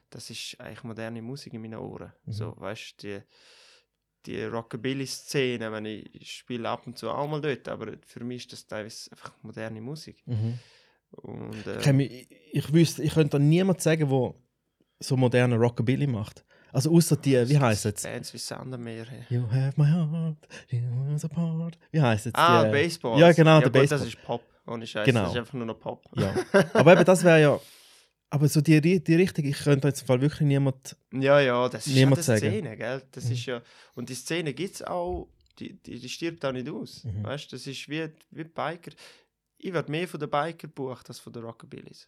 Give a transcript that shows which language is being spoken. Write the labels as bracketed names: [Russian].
[German] das ist eigentlich moderne Musik in meinen Ohren. Mhm. So, weißt du, die Rockabilly-Szene, ich, ich spiele ab und zu auch mal dort, aber für mich ist das teilweise einfach moderne Musik. Mhm. Und, ich könnte niemand sagen, wo so moderne Rockabilly macht. Also außer die, wie heisst es? Bands wie Sandermeer. [English] You have my heart, you have a part. [German] Wie heisst es? Ah, Baseball. Ja, genau, ja, der Baseball. Das ist Pop, ohne Scheiß. Genau. Das ist einfach nur noch Pop. Ja. Aber eben, das wäre ja... Aber so die Richtung, ich könnte jetzt im Fall wirklich niemand sagen. Ja, ja, das ist ja die Szene, gell? Das mhm. ist ja... Und die Szene gibt es auch, die stirbt auch nicht aus. Mhm. Weißt du, das ist wie Biker. Ich werde mehr von der Biker bucht als von der Rockabillys.